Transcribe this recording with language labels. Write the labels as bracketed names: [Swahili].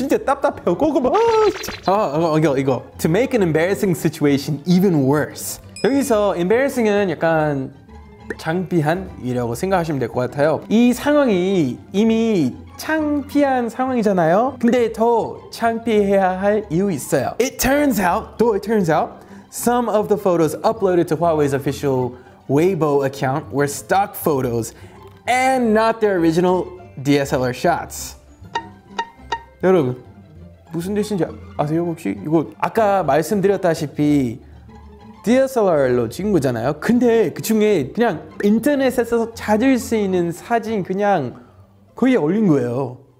[Korean] 진짜 답답해요 고구마. 이거 [English] To make an embarrassing situation even worse. [Korean] 여기서 embarrassing은 약간 창피한 이라고 생각하시면 될 것 같아요. 이 상황이 이미 창피한 상황이잖아요. 근데 더 창피해야 할 이유 있어요. [English] It turns out, though it turns out some of the photos uploaded to Huawei's official Weibo account were stock photos and not their original DSLR shots. [Korean] 여러분 무슨 뜻인지 아세요 혹시? 이거 아까 말씀드렸다시피 DSLR로 찍은 거잖아요. 근데 그 중에 그냥 인터넷에서 찾을 수 있는 사진 그냥 거기에 올린 거예요.